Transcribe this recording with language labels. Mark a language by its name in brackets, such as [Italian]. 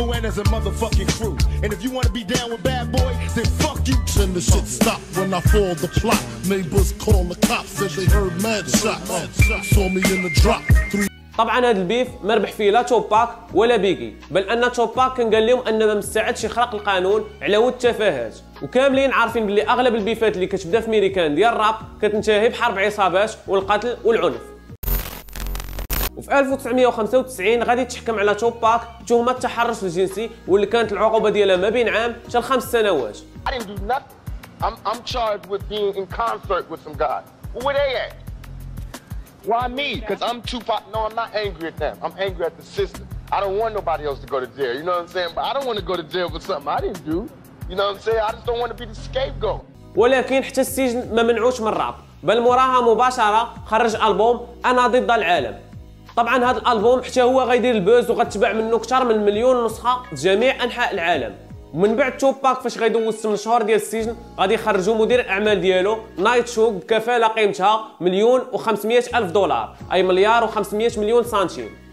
[English] As a motherfucking crew, and if you wanna be down with bad boy, then fuck you. Then the shit stop when I fall the plot. Neighbors call the cops, said they heard mad shots. Saw me in the drop. [Arabic] طبعا هذا البيف ما ربح فيه لا توباك ولا بيغي، بل ان توباك كان قال لهم ان ما مستعدش يخرق القانون على ود التفاهات. وكاملين عارفين بلي اغلب البيفات اللي كتبدا في ميريكان ديال الراب كتنتهي بحرب عصابات والقتل والعنف. وفي 1995 غادي تحكم على توباك تهمة التحرش الجنسي واللي كانت العقوبة ديالها ما بين عام حتى لخمس سنوات. [English] I didn't do nothing. I'm charged with being in concert with some guy. Where they at? Why me? Because I'm Tupac. No, I'm not angry at them. I'm angry at the system. I don't want nobody else to go to jail. You know what I'm saying? But I don't want to go to jail for something I didn't do. You know what I'm saying? I just don't want to be the scapegoat. [Arabic] ولكن حتى السجن ما منعوش من الراب، بل مراها مباشرة خرج ألبوم أنا ضد العالم. طبعا هذا الالبوم حتى هو غيدير البوز وغتباع منه اكثر من مليون نسخه في جميع انحاء العالم. ومن بعد توباك فاش غيدوز 8 شهور ديال السجن غادي يخرجوا مدير الاعمال ديالو نايت شوك بكفاله قيمتها $1,500,000 اي $1,500,000,000.